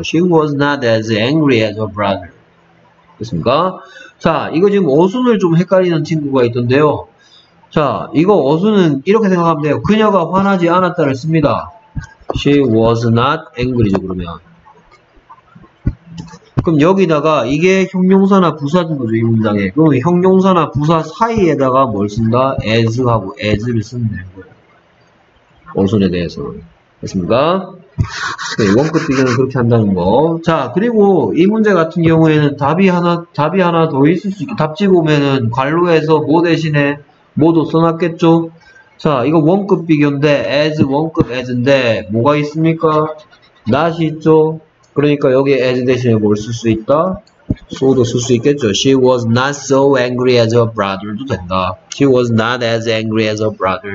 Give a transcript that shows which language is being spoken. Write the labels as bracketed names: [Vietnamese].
[English] She was not as angry as her brother. [Korean] 됐습니까? 자, 이거 지금 어순을 좀 헷갈리는 친구가 있던데요. 자, 이거 어순은 이렇게 생각하면 돼요. 그녀가 화나지 않았다를 씁니다. [English] She was not angry죠, [Korean] 그러면. 그럼 여기다가 이게 형용사나 부사인 거죠, 이 문장에. 그럼 형용사나 부사 사이에다가 뭘 쓴다? as하고 as를 쓰면 되는 거예요. 어순에 대해서. 됐습니까? 네, 원급 비교는 그렇게 한다는 거. 자, 그리고 이 문제 같은 경우에는 답이 하나 더 있을 수 있게, 답지 보면은 관로에서 뭐 대신에 뭐도 써놨겠죠? 자, 이거 원급 비교인데, as, 원급 as인데, 뭐가 있습니까? not이 있죠? 그러니까 여기 as 대신에 뭘 쓸 수 있다? so도 쓸 수 있겠죠? [English] She was not so angry as her brother도 [Korean] 된다. [English] She was not as angry as her brother.